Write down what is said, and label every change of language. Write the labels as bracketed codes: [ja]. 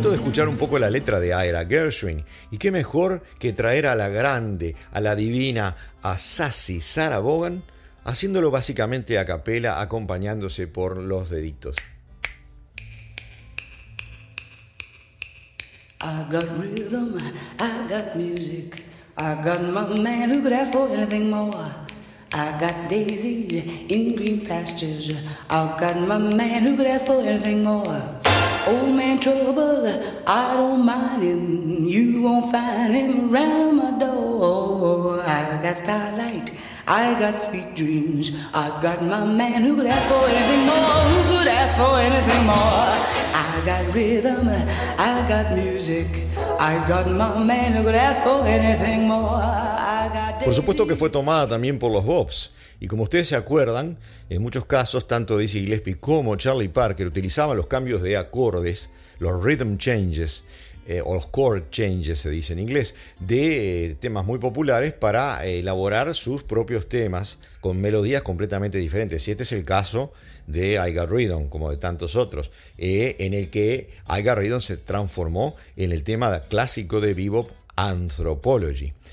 [es] Escuchar un poco la letra de Ira Gershwin, y qué mejor que traer a la grande, a la divina, a Sassy Sarah Vaughan, haciéndolo básicamente a capela, acompañándose por los deditos. [en] I got rhythm, I got music, I got my man who could ask for anything more. I got daisies in green pastures, I got my man who could ask for anything more. Old man trouble, I don't mind him. You won't find him around my door. I got starlight, I got sweet dreams. I got my man who could ask for anything more. Who could ask for anything more? I got rhythm, I got music. I got my man who could ask for anything more. I got. [es] Por supuesto que fue tomada también por los Bobs. Y como ustedes se acuerdan, en muchos casos, tanto Dizzy Gillespie como Charlie Parker utilizaban los cambios de acordes, los rhythm changes, o los chord changes se dice en inglés, de temas muy populares para elaborar sus propios temas con melodías completamente diferentes. Y este es el caso de I Got Rhythm, como de tantos otros, en el que I Got Rhythm se transformó en el tema clásico de bebop Anthropology.